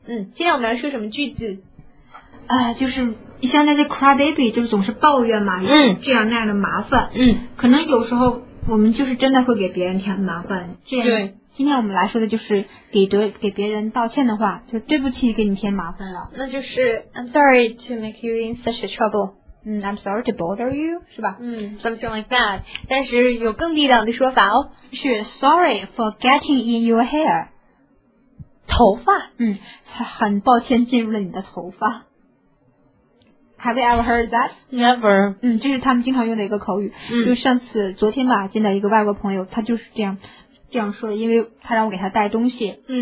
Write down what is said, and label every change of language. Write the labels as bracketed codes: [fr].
[zh] 今天我们要说什么句子啊、就是像那些 crybaby 就是总是抱怨嘛，这样那样的麻烦，可能有时候我们就是真的会给别人添麻烦，这样对，今天我们来说的就是给别人道歉的话，就对不起给你添麻烦了，那就是 [en] I'm sorry to make you in such a trouble. I'm sorry to bother you, [zh] 是吧？ [en] Something like that. [zh] 但是有更地道的说法哦，是 [en] sorry for getting in your hair, [zh] 头发，很抱歉进入了你的头发。 [en] Have you ever heard that? Never. [zh] 这是他们经常用的一个口语。就上次昨天吧，见到一个外国朋友，他就是这样说的，因为他让我给他带东西。